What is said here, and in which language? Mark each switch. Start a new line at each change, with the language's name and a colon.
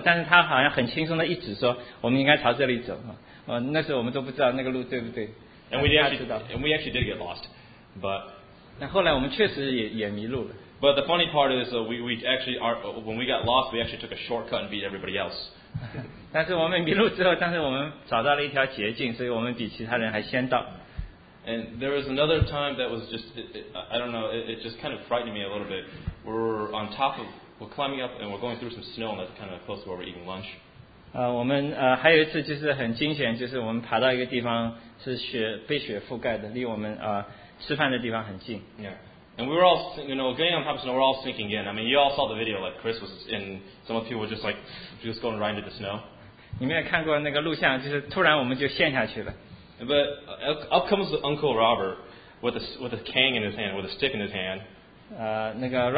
Chinese: 他就是我们好像差不多就要迷路了，但是他好像很轻松的一直说，我们应该朝这里走。那时候我们都不知道那个路对不对。
English: And we actually did get lost. But
Chinese: 那后来我们确实也迷路了。
English: But the funny part is when we got lost, we actually took a shortcut and beat everybody else.
Chinese: 但是我们迷路之后，但是我们找到了一条捷径，所以我们比其他人还先到。
English: And there was another time that was just it just kind of frightened me a little bit. We're climbing up and we're going through some snow, and that's kind of close to where we're eating lunch.
Chinese: 我们还有一次就是很惊险，就是我们爬到一个地方是被雪覆盖的，离我们吃饭的地方很近。
English: Yeah. And we were all, you know, getting on top of snow, we're all sinking in. I mean, you all saw the video, like Chris was in, some of the people were just going right into the snow.
Chinese: 你没有看过那个录像，就是突然我们就陷下去了。
English: But up comes Uncle Robert with a cane in his hand, with a stick in his hand.